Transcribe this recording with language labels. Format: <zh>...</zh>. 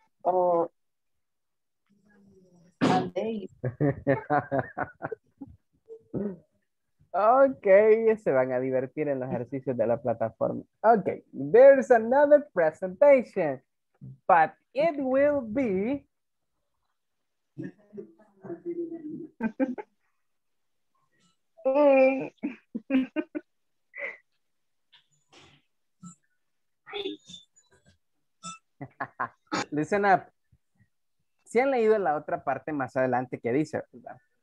<es>Ok, se van a divertir en los ejercicios de la plataforma.</es> <en>Ok, there's another presentation, but it will be listen up.</en> <es>Si ¿Sí han leído la otra parte más adelante que dice, ¿verdad?</es>